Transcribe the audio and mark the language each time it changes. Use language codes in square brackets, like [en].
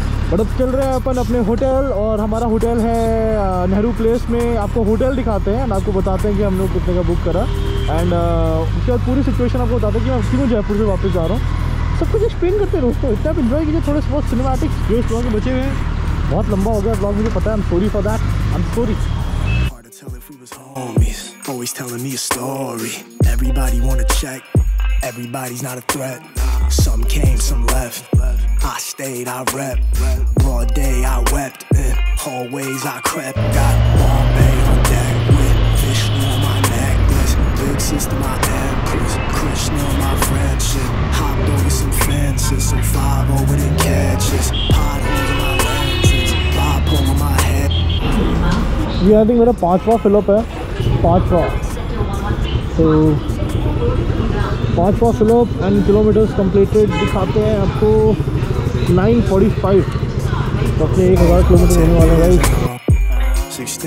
[hi] बड़प चल रहे हैं अपन अपने होटल, और हमारा होटल है नेहरू प्लेस में. आपको होटल दिखाते हैं और आपको बताते हैं कि हम लोग कितने का बुक करा एंड उसके बाद पूरी सिचुएशन आपको बताते हैं कि मैं क्यों जयपुर से वापस जा रहा हूँ. सब कुछ एक्सप्लेन करते रहो उसको, इतना इन्जॉय कीजिए, थोड़े बहुत सिनेमैटिक्स जो इस ब्लॉग में बचे हुए हैं। बहुत लंबा हो गया ब्लॉग, मुझे पता है, [en] I am sorry for that, I am sorry. Tell if we was homies, always telling me a story. Everybody wanna check, everybody's not a threat. Some came, some left, I stayed, I rep. Broad day I wept, hallways I crept. Got Bombay on deck with Vishnu on my necklace. Big sister my empress, Krishna my friendship. Hopped over some fences, some five over the catches. Potholes in my lenses, bipolar on my head. [hi] ये [en] I think [hi] मेरा पांचवा fill up है, पांचवा, तो पांचवा fill up and kilometres completed दिखाते हैं आपको 9:45 तो अपने 1000 किलोमीटर होने वाले हैं गाइस।